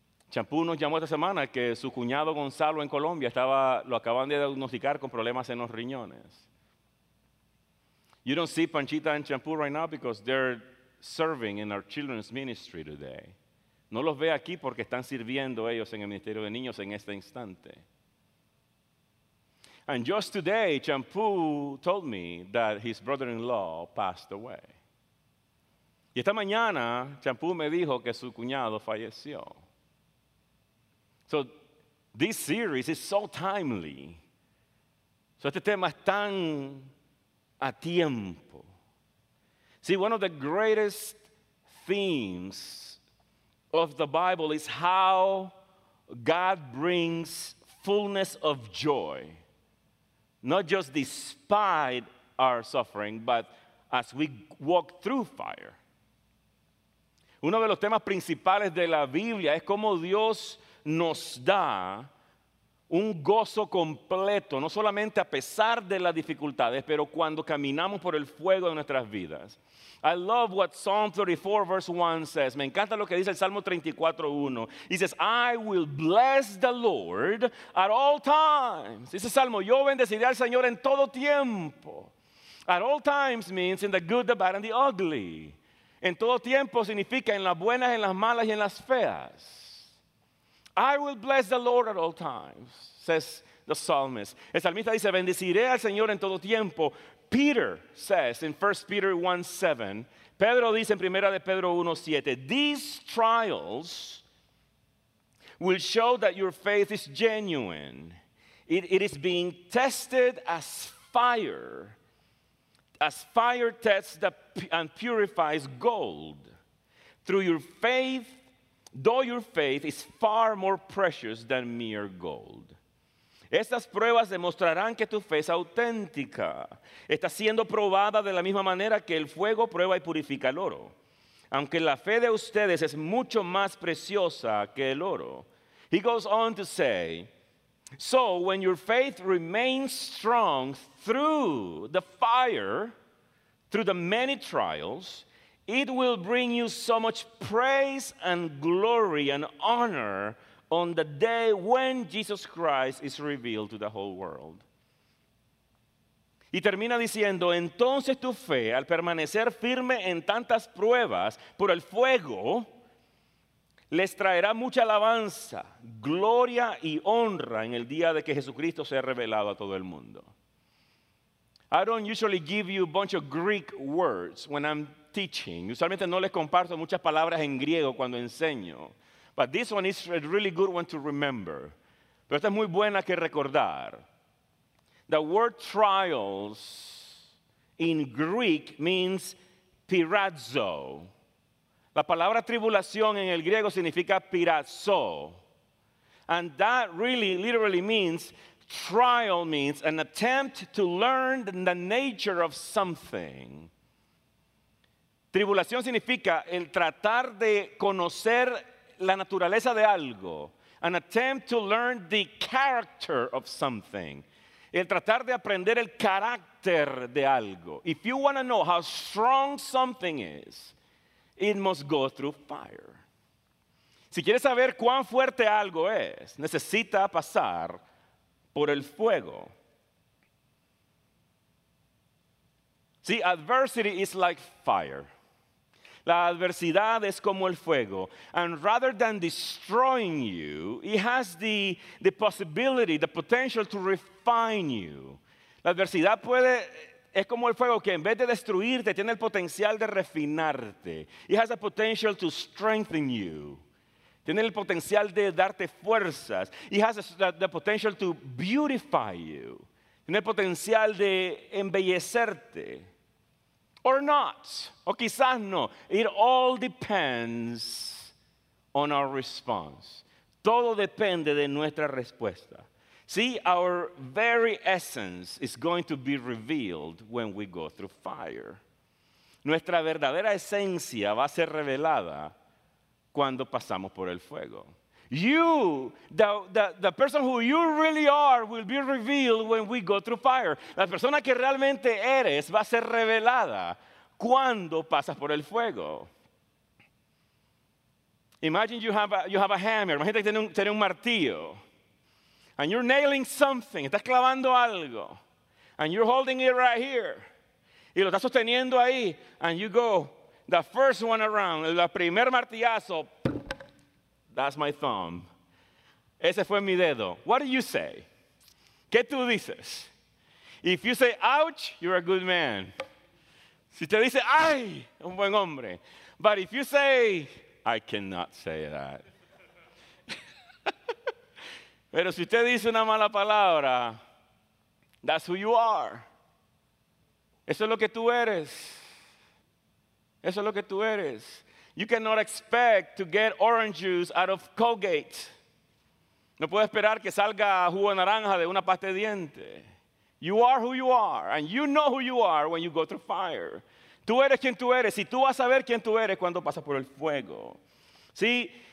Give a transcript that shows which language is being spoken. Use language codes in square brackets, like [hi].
[es] Champú nos llamó esta semana que su cuñado Gonzalo en Colombia lo acaban de diagnosticar con problemas en los riñones. [en] You don't see Panchita and Champú right now because they're serving in our children's ministry today. [es] No los ve aquí porque están sirviendo ellos en el Ministerio de Niños en este instante. [en] And just today, Champú told me that his brother-in-law passed away. [es] Y esta mañana, Champú me dijo que su cuñado falleció. [en] So, this series is so timely. [es] So, este tema es tan a tiempo. [en] See, one of the greatest themes of the Bible is how God brings fullness of joy, not just despite our suffering, but as we walk through fire. [es] Uno de los temas principales de la Biblia es cómo Dios nos da un gozo completo, no solamente a pesar de las dificultades, pero cuando caminamos por el fuego de nuestras vidas. [en] I love what Psalm 34 verse 1 says. [es] Me encanta lo que dice el Salmo 34:1. [en] He says, I will bless the Lord at all times. [es] Dice Salmo, yo bendeciré al Señor en todo tiempo. [en] At all times means in the good, the bad, and the ugly. [es] En todo tiempo significa en las buenas, en las malas y en las feas. [en] I will bless the Lord at all times, says the psalmist. [es] El salmista dice, bendeciré al Señor en todo tiempo. [en] Peter says in 1 Peter 1:7, [es] Pedro dice en 1 Pedro 1:7, [en] these trials will show that your faith is genuine. It is being tested as fire tests and purifies gold. Through your faith, though your faith is far more precious than mere gold. [es] Estas pruebas demostrarán que tu fe es auténtica. Está siendo probada de la misma manera que el fuego prueba y purifica el oro. Aunque la fe de ustedes es mucho más preciosa que el oro. [en] He goes on to say, so when your faith remains strong through the fire, through the many trials, it will bring you so much praise and glory and honor on the day when Jesus Christ is revealed to the whole world. [es] Y termina diciendo, entonces tu fe, al permanecer firme en tantas pruebas por el fuego, les traerá mucha alabanza, gloria y honra en el día de que Jesucristo sea revelado a todo el mundo. [en] I don't usually give you a bunch of Greek words when I'm teaching. [es] Usualmente no les comparto muchas palabras en griego cuando enseño. [en] But this one is a really good one to remember. [es] Pero esta es muy buena que recordar. [en] The word trials in Greek means pirazo. [es] La palabra tribulación en el griego significa pirazo. [en] And that really, literally means, trial means an attempt to learn the nature of something. [es] Tribulación significa el tratar de conocer la naturaleza de algo, [en] an attempt to learn the character of something, [es] el tratar de aprender el carácter de algo. [en] If you want to know how strong something is, it must go through fire. [es] Si quieres saber cuán fuerte algo es, necesita pasar por el fuego. [en] See, adversity is like fire. [es] La adversidad es como el fuego. [en] And rather than destroying you, it has the possibility, the potential to refine you. [es] La adversidad puede, es como el fuego que en vez de destruirte, tiene el potencial de refinarte. [en] It has the potential to strengthen you. [es] Tiene el potencial de darte fuerzas. [en] It has the potential to beautify you. [es] Tiene el potencial de embellecerte. [en] Or not, [es] o quizás no. [en] It all depends on our response. [es] Todo depende de nuestra respuesta. [en] See, our very essence is going to be revealed when we go through fire. [es] Nuestra verdadera esencia va a ser revelada cuando pasamos por el fuego. [en] You, the person who you really are will be revealed when we go through fire. [es] La persona que realmente eres va a ser revelada cuando pasas por el fuego. [en] Imagine you have a hammer. [es] Imagínate que tiene un martillo. [en] And you're nailing something. [es] Estás clavando algo. [en] And you're holding it right here. [es] Y lo estás sosteniendo ahí. [en] And you go, the first one around, [es] el primer martillazo, [en] that's my thumb. [es] Ese fue mi dedo. [en] What do you say? [es] ¿Qué tú dices? [en] If you say, ouch, you're a good man. [es] Si te dice, ay, un buen hombre. [en] But if you say, I cannot say that. [es] Pero si usted dice una mala palabra, [en] that's who you are. [es] Eso es lo que tú eres. Eso es lo que tú eres. [en] You cannot expect to get orange juice out of Colgate. [es] No puedes esperar que salga jugo de naranja de una pasta de diente. [en] You are who you are, and you know who you are when you go through fire. [es] Tú eres quien tú eres, y tú vas a saber quién tú eres cuando pasas por el fuego. See,